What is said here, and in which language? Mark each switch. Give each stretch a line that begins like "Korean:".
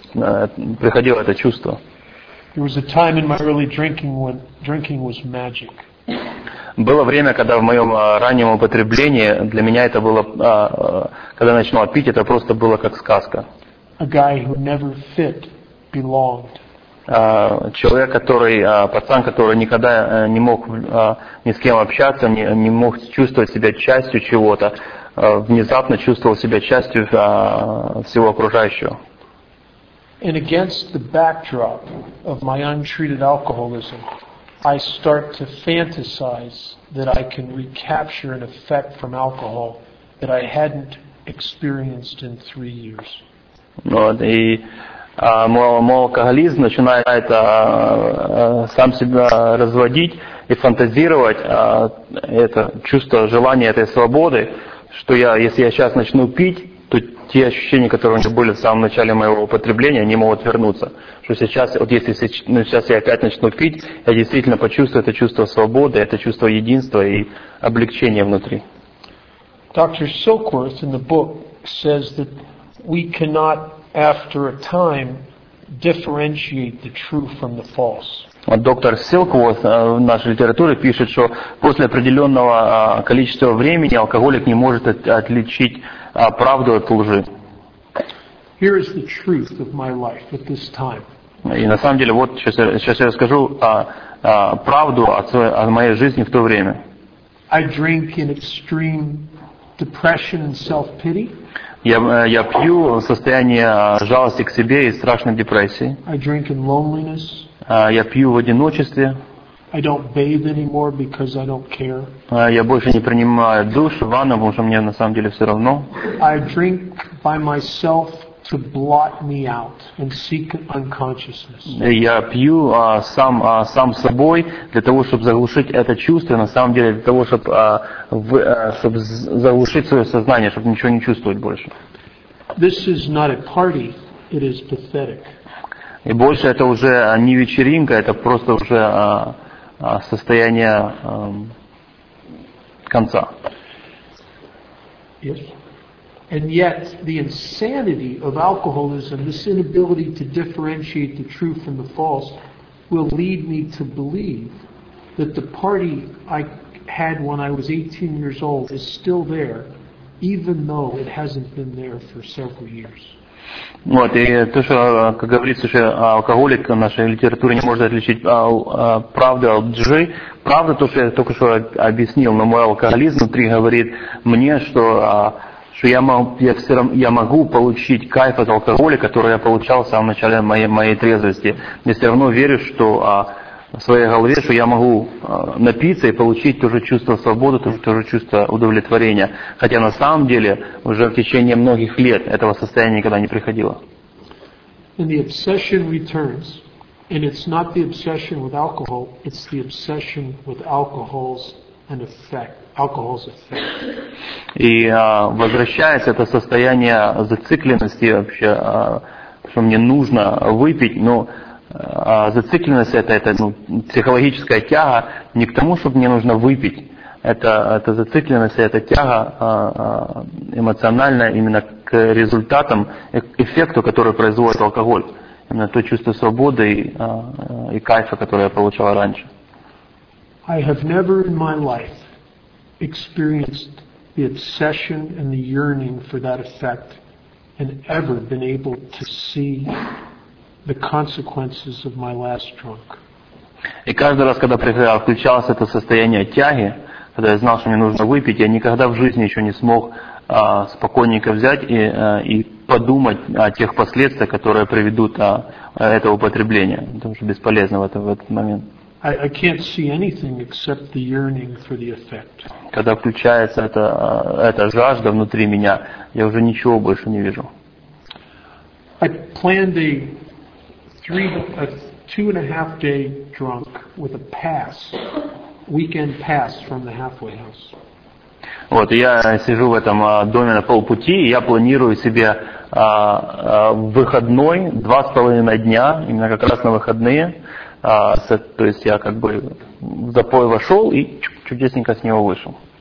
Russian: Приходило это чувство.
English: There was a time in my early drinking when drinking was magic.
Russian: Было время, когда в моем раннем употреблении для меня это было, когда я начинал пить, это просто было как сказка.
English: A guy who never fit belonged.
Russian: Человек, который, пацан, который никогда не мог ни с кем общаться, не мог чувствовать себя частью чего-то, внезапно чувствовал себя частью всего окружающего.
English: And against the backdrop of my untreated alcoholism, I start to fantasize that I can recapture an effect from alcohol that I hadn't experienced in 3 years.
Russian: Вот, и мой алкоголизм начинает сам себя разводить и фантазировать это чувство желания этой свободы, что я, если я сейчас начну пить, то те ощущения, которые у меня были в самом начале моего употребления, они могут вернуться. Что сейчас, вот если сейчас я опять начну пить, я действительно почувствую это чувство свободы, это чувство единства и облегчения внутри.
English: Dr. Silkworth in the book says that we cannot, after a time, differentiate the true from the false.
Russian: Доктор Silkworth в нашей литературе пишет, что после определенного количества времени алкоголик не может отличить правду от лжи.
English: Here is the truth of my life at this time.
Russian: И на самом деле, вот сейчас я расскажу правду о моей жизни в то время.
English: I drink in extreme depression and self-pity.
Russian: Я пью в состоянии жалости к себе и страшной депрессии.
English: I drink in loneliness.
Russian: Я пью в одиночестве.
English: I don't bathe anymore because I don't care.
Russian: Я больше не принимаю душ, ванну, потому что мне на самом деле все равно.
English: I drink by myself to blot me out and seek unconsciousness.
Russian: Я пью сам собой для того, чтобы заглушить это чувство, на самом деле для того, чтобы заглушить свое сознание, чтобы ничего не чувствовать больше.
English: This is not a party, it is pathetic.
Russian: И больше это уже не вечеринка, это просто уже состояние конца.
English: Yes. And yet the insanity of alcoholism, this inability to differentiate the true from the false, will lead me to believe that the party I had when I was 18 years old is still there, even though it hasn't been there for several years.
Russian: Вот, и то, что, как говорится, что алкоголик в нашей литературе не может отличить правду от лжи. Правда то, что я только что объяснил, но мой алкоголизм внутри говорит мне, что я могу получить кайф от алкоголя, который я получал в самом начале моей трезвости. Я все равно верю, что в своей голове, что я могу напиться и получить то же чувство свободы, то же чувство удовлетворения. Хотя на самом деле уже в течение многих лет этого состояния никогда не приходило.
English: And the obsession returns, and it's not the obsession with alcohol, it's the obsession with alcohol's and effect. Alcohol's effect.
Russian: И возвращается это состояние зацикленности вообще, что мне нужно выпить, но зацикленность это ну, психологическая тяга не к тому, чтобы мне нужно выпить. Это зацикленность, это тяга эмоциональная именно к результатам, эффекту, который производит алкоголь. Именно то чувство свободы и кайфа, которое я получал раньше.
English: I have never in my life experienced the obsession and the yearning for that effect and ever been able to see the consequences of my last drunk.
Russian: И каждый раз, когда включалось это состояние тяги, когда я знал, что мне нужно выпить, я никогда в жизни еще не смог спокойненько взять и подумать о тех последствиях, которые приведут это употребление. Это уже бесполезно в этот момент.
English: I can't see anything except the yearning for the effect.
Russian: Когда включается эта жажда внутри меня, я уже ничего больше не вижу.
English: I planned a 2.5-day drunk with a pass, weekend pass from the halfway house.
Russian: Вот, я сижу в этом доме на полпути, и я планирую себе выходной 2.5 дня, именно как раз на выходные. То есть я как бы в запой вошел и чудесненько с него вышел.